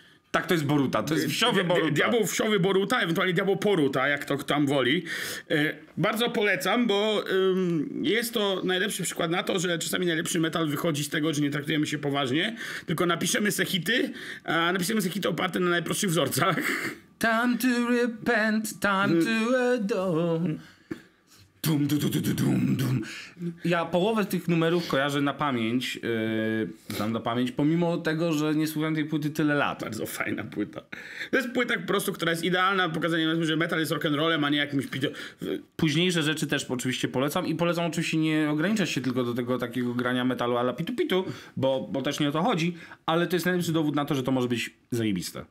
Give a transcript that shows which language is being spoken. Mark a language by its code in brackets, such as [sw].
[pl] Tak, to jest Boruta. To jest wsiowy Boruta. Diabeł wsiowy Boruta, ewentualnie diabeł Poruta, jak to tam woli. Bardzo polecam, bo jest to najlepszy przykład na to, że czasami najlepszy metal wychodzi z tego, że nie traktujemy się poważnie, tylko napiszemy se hity, a napiszemy se hity oparte na najprostszych wzorcach. [en] Time to repent, time to adore. Dum, dum, dum, dum, dum, dum. [pl] Ja połowę tych numerów kojarzę na pamięć, znam na pamięć, pomimo tego, że nie słuchałem tej płyty tyle lat. Bardzo fajna płyta. To jest płyta po prostu, która jest idealna, pokazanie, że metal jest rock'n'rollem, a nie jakimś... Późniejsze rzeczy też oczywiście polecam i polecam oczywiście nie ograniczać się tylko do tego takiego grania metalu a la pitu pitu, bo też nie o to chodzi, ale to jest najlepszy dowód na to, że to może być zajebiste.